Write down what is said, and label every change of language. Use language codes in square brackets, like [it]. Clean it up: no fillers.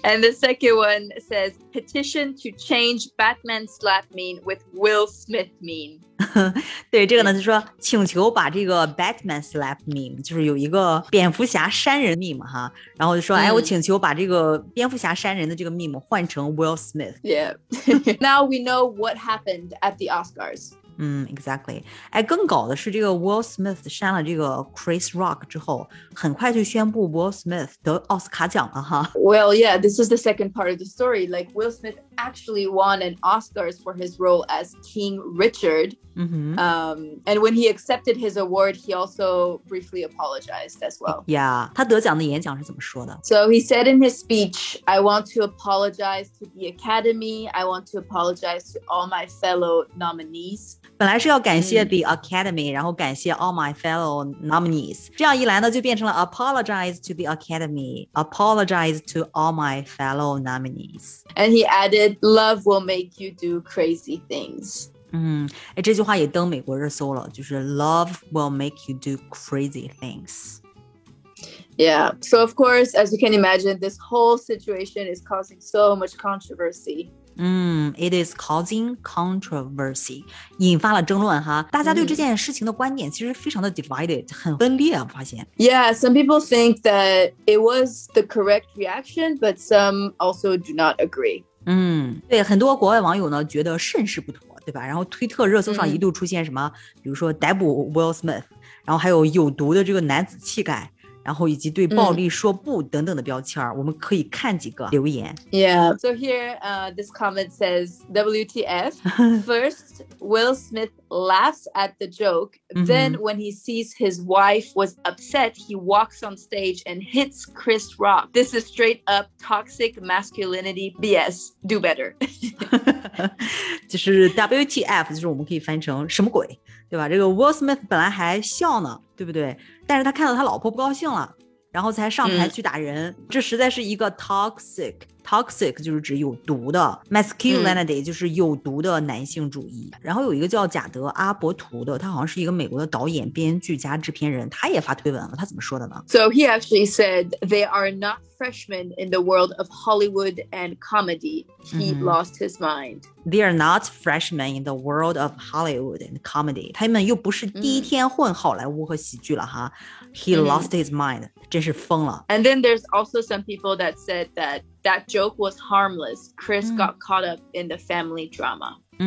[en] And the second one says, petition to change Batman slap meme with Will Smith meme. [zh] 对，这个呢，就说请求把这个 Batman slap meme, 就是有一个蝙蝠侠扇人 meme, 哈，然后就说、嗯、哎，我请求把这个蝙蝠侠扇人的这个 meme 换成 Will Smith. [en] Yeah. Now we know what happened at the Oscars. 嗯 ，exactly。 [zh] 哎，更搞的是，这个 Will Smith 删了这个 Chris Rock 之后，很快就宣布 Will Smith 得奥斯卡奖了哈。 [en] Well, yeah, this is the second part of the story. Like Will Smith actually won an Oscars for his role as King Richard. Mm-hmm. And when he accepted his award, he also briefly apologized as well. Yeah, [zh] 他得奖的演讲是怎么说的 [en] ？So he said in his speech, "I want to apologize to the Academy. I want to apologize to all my fellow nominees." [zh] 本来是要感谢 the Academy、嗯、然后感谢 [en] all my fellow nominees, [zh] 这样一来呢就变成了 [en] apologize to the Academy, apologize to all my fellow nominees. And he added, love will make you do crazy things. [zh] 嗯，这句话也登美国热搜了，就是 [en] love will make you do crazy things. Yeah, so of course, as you can imagine, this whole situation is causing so much controversy. It is causing controversy, [zh] 引发了争论哈。大家对这件事情的观点其实非常的 divided, 很分裂啊，发现。 [en] Yeah, some people think that it was the correct reaction, but some also do not agree. [zh] 对，很多国外网友呢觉得甚是不妥，对吧？然后推特热搜上一度出现什么，比如说逮捕 Will Smith, 然后还有有毒的这个男子气概。然后以及对暴力说不等等的标签、我们可以看几个留言。 [en] Yeah, so here, this comment says, WTF, first, Will Smith laughs at the joke, then when he sees his wife was upset, he walks on stage and hits Chris Rock. This is straight up toxic masculinity BS, do better. [zh] 就是 WTF, 就是我们可以翻成什么鬼。对吧，这个 Will Smith 本来还笑呢，对不对？但是他看到他老婆不高兴了，然后才上台去打人、这实在是一个 toxic 就是指有毒的 masculinity、就是有毒的男性主义。然后有一个叫贾德阿伯图的，他好像是一个美国的导演编剧加制片人，他也发推文了，他怎么说的呢？ [en] So he actually said they are not freshmen in the world of Hollywood and comedy. He lost his mind. They are not freshmen in the world of Hollywood and comedy. [zh] 他们又不是第一天混好莱坞和喜剧了哈。 [en] He lost his mind. [zh] 真是疯了。 [en] And then there's also some people that said thatThat joke was harmless. Chris got caught up in the family drama.